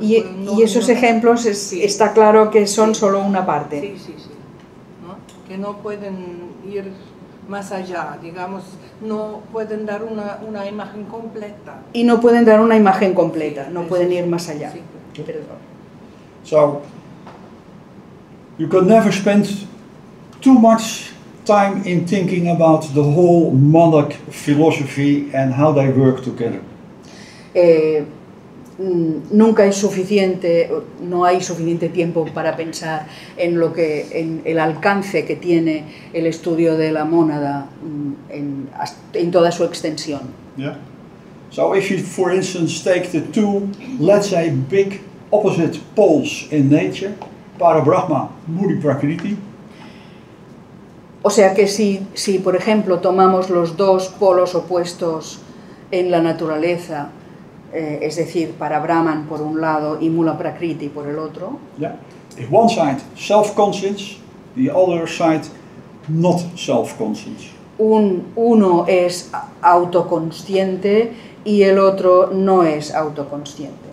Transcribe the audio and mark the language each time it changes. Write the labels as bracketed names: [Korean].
[Spanish] y esos ejemplos es, sí. Está claro que son, sí, solo una parte. Sí, sí, sí. ¿No? Que no pueden ir más allá, digamos, no pueden dar una imagen completa. Y no pueden dar una imagen completa, no pueden ir más allá. [English] So, you can never spend too much time in thinking about the whole monarch philosophy and how they work together. [Spanish] Nunca es suficiente, no hay suficiente tiempo para pensar en lo que, en el alcance que tiene el estudio de la mónada en toda su extensión. [English] Yeah. So if you, for instance, take the two, let's say, big opposite poles in nature, Parabrahma, Muni Prakriti. [Spanish] O sea que si por ejemplo tomamos los dos polos opuestos en la naturaleza, es decir, para Brahman por un lado y Mula Prakriti por el otro. [English] Yeah. One side self-conscious, the other side not self-conscious. [Spanish] Uno es autoconsciente y el otro no es autoconsciente.